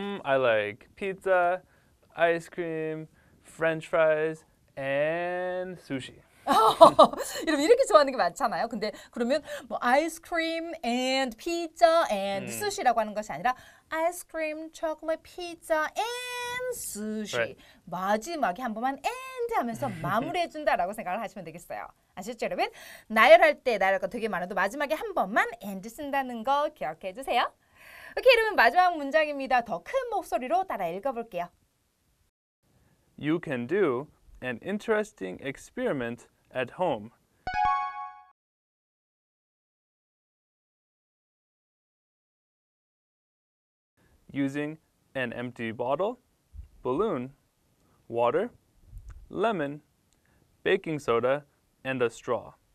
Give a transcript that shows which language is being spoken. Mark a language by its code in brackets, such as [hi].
[en] I like pizza, ice cream, french fries and sushi. [ko] 여러분 이렇게 좋아하는 게 많잖아요. 근데 그러면 뭐 아이스크림 and 피자 and 스시라고 하는 것이 아니라 아이스크림, 초콜릿, 피자 and 스시. [en] Right. [ko] 마지막에 한 번만 and 하면서 마무리해 준다라고 생각을 하시면 되겠어요. 아셨죠, 여러분? 나열할 때 나열할 거 되게 많아도 마지막에 한 번만 and 쓴다는 거 기억해 주세요. 오케이, 여러분 마지막 문장입니다. 더 큰 목소리로 따라 읽어 볼게요. [en] You can do an interesting experiment at home. Using an empty bottle, balloon, water, lemon, baking soda, and a straw.